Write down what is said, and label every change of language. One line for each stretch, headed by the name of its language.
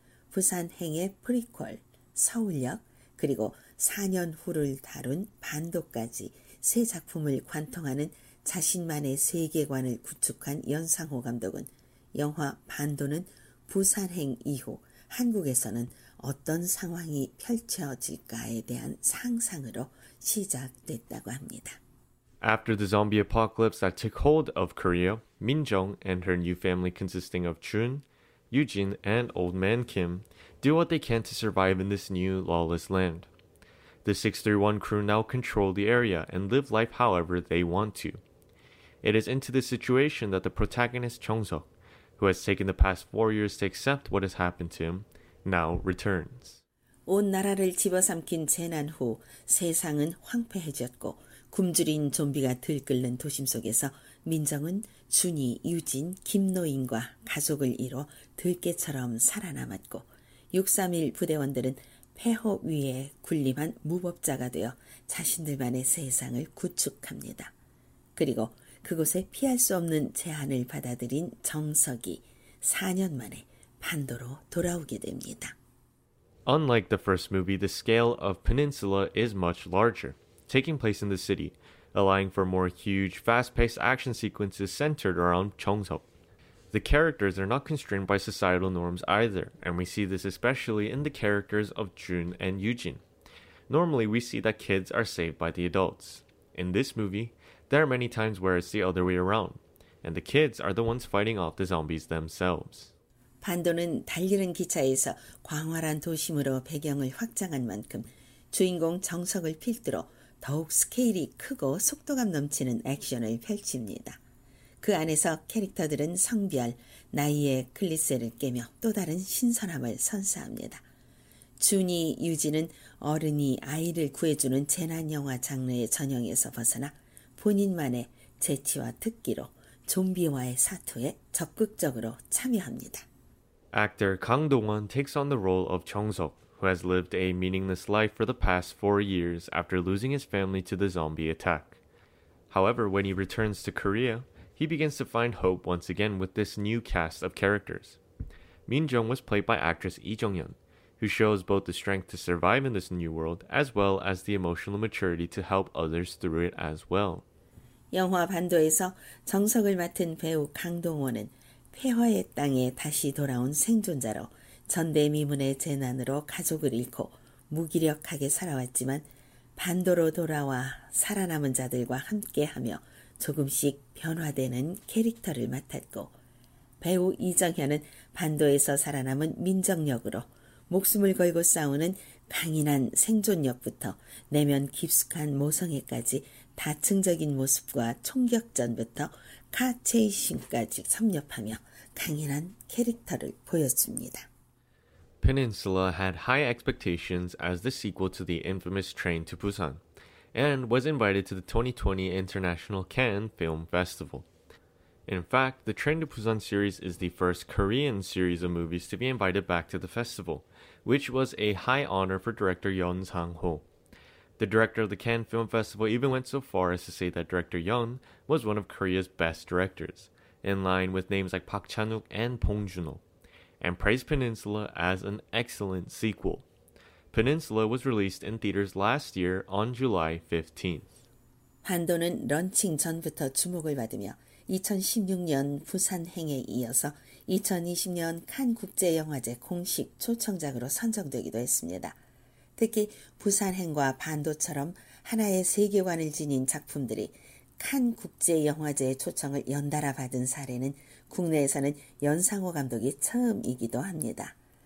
Korean: 부산행의 프리퀄, 서울역, 그리고 4년 후를 다룬 반도까지 세 작품을 관통하는 자신만의 세계관을 구축한 연상호 감독은 영화 반도는 부산행 이후 한국에서는 어떤 상황이 펼쳐질까에 대한 상상으로 시작됐다고 합니다.
English: After the zombie apocalypse that took hold of Korea, Min-jung and her new family consisting of Jun, Eugene, and Old Man Kim do what they can to survive in this new, lawless land. The 631 crew now control the area and live life however they want to. It is into this situation that the protagonist Jung-seok, who has taken the past 4 years to accept what has happened to him, now returns.
Korean: 온 나라를 집어삼킨 재난 후 세상은 황폐해졌고 굶주린 좀비가 들끓는 도심 속에서 민정은 준이, 유진, 김노인과 가족을 잃어 들깨처럼 살아남았고 631 부대원들은 폐허 위에 군림한 무법자가 되어 자신들만의 세상을 구축합니다. 그리고 그곳에 피할 수 없는 제안을 받아들인 정석이 4년 만에 반도로 돌아오게 됩니다.
English: Unlike the first movie, the scale of Peninsula is much larger, taking place in the city, allowing for more huge, fast-paced action sequences centered around Jung-seok. The characters are not constrained by societal norms either, and we see this especially in the characters of Jun and Eugene. Normally, we see that kids are saved by the adults. In this movie, there are many times where it's the other way around, and the kids are the ones fighting off the zombies themselves.
Korean: 반도는 달리는 기차에서 광활한 도심으로 배경을 확장한 만큼 주인공 정석을 필두로 더욱 스케일이 크고 속도감 넘치는 액션을 펼칩니다. 그 안에서 캐릭터들은 성별, 나이의 클리셰를 깨며 또 다른 신선함을 선사합니다. 준이, 유진은 어른이 아이를 구해주는 재난영화 장르의 전형에서 벗어나 본인만의 재치와 특기로 좀비와의 사투에 적극적으로 참여합니다.
English: Actor Kang Dong-won takes on the role of Jung-seok, who has lived a meaningless life for the past 4 years after losing his family to the zombie attack. However, when he returns to Korea, he begins to find hope once again with this new cast of characters. Min-jung was played by actress Lee Jung-yeon, who shows both the strength to survive in this new world as well as the emotional maturity to help others through it as well.
Korean: 영화 반도에서 정석을 맡은 배우 강동원은 폐허의 땅에 다시 돌아온 생존자로 전대미문의 재난으로 가족을 잃고 무기력하게 살아왔지만 반도로 돌아와 살아남은 자들과 함께하며 조금씩 변화되는 캐릭터를 맡았고 배우 이정현은 반도에서 살아남은 민정 역으로 목숨을 걸고 싸우는 강인한 생존력부터 내면 깊숙한 모성애까지 다층적인 모습과 총격전부터 카체이싱까지 섭렵하며 강인한 캐릭터를 보여줍니다.
English: Peninsula had high expectations as the sequel to the infamous Train to Busan, and was invited to the 2020 International Cannes Film Festival. In fact, the Train to Busan series is the first Korean series of movies to be invited back to the festival, which was a high honor for director Yeon Sang-ho. The director of the Cannes Film Festival even went so far as to say that director Yeon was one of Korea's best directors, in line with names like Park Chan-wook and Bong Joon-ho, and praised Peninsula as an excellent sequel. Peninsula was released in theaters last year on July 15th.
Korean: 반도는 런칭 전부터 주목을 받으며 2016년 부산행에 이어서 2020년 칸 국제영화제 공식 초청작으로 선정되기도 했습니다. 특히 부산행과 반도처럼 하나의 세계관을 지닌 작품들이 칸 국제영화제의 초청을 연달아 받은 사례는 국내에서는 연상호 감독이 처음이기도 합니다.